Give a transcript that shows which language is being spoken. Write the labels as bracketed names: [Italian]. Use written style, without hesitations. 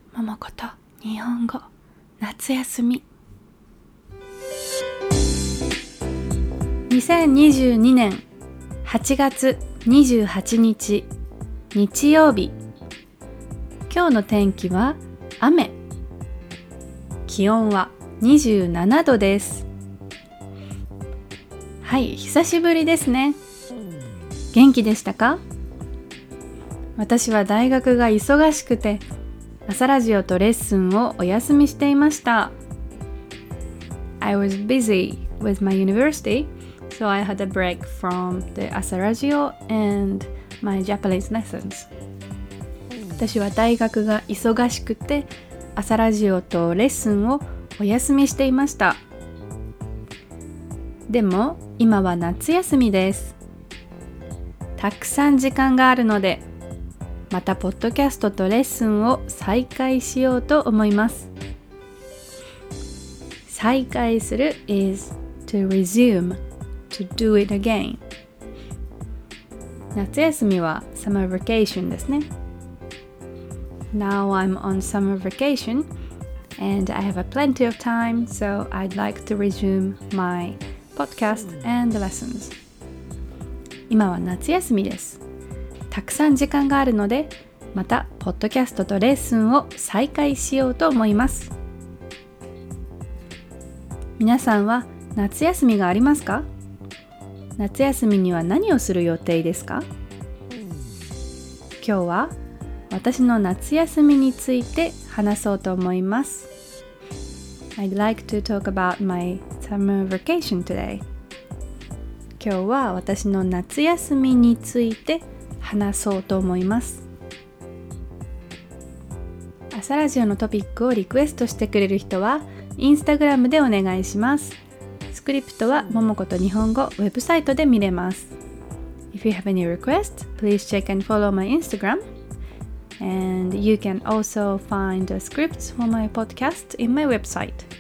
[Japanese] もこと日本語夏休み2022年8月28日日曜日、今日の天気は雨、気温は27度です。はい、久しぶりですね。元気でしたか？私は大学が忙しくて朝ラジオとレッスンをお休みしていました。 [English] I was busy with my university, so I had a break from the 朝ラジオ and my Japanese lessons. [Japanese] 私は大学が忙しくて朝ラジオとレッスンをお休みしていました。でも今は夏休みです。たくさん時間があるので、またポッドキャストとレッスンを再開しようと思います。 [English] 再開する is to resume, to do it again. [Japanese] 夏休みは summer vacation ですね。 [English] Now I'm on summer vacation and I have a plenty of time, so I'd like to resume my podcast and lessons. [Japanese] 今は夏休みです。たくさん時間があるので、またポッドキャストとレッスンを再開しようと思います。皆さんは夏休みがありますか？夏休みには何をする予定ですか？今日は私の夏休みについて話そうと思います。 [English] I'd like to talk about my summer vacation today. [Japanese] 今日は私の夏休みについて話そうと思います。朝ラジオのトピックをリクエストしてくれる人はインスタグラムでお願いします。スクリプトはももこと日本語ウェブサイトで見れます。 [English] If you have any requests, please check and follow my Instagram. And you can also find the scripts for my podcast in my website.